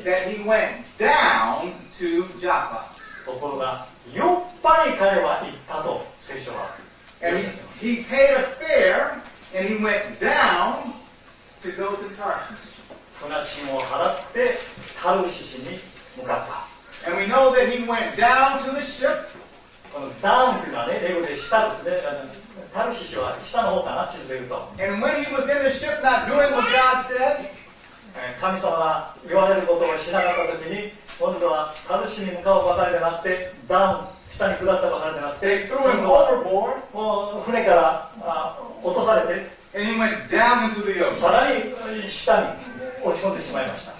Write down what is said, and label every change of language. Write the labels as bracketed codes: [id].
[en] that he went down to Joppa. [ja] ところが、よっぱに彼は行ったと、聖書は。 [en] He paid a fare, and he went down to go to Tarshish. [ja] 船賃を払って、タルシシに向かった。 [en] And we know that he went down to the ship. [ja] このダウンというのはね、英語で下ですね。タルシシは下の方かな、地図で言うと。 [en] And when he was in the ship, not doing what God said, [ja] 神様が言われることをしなかった時に、今度はタルシに向かうばかりでなくて、ダウン、下に下ったばかりでなくて、今度は船から落とされて、さらに下に落ち込んでしまいました。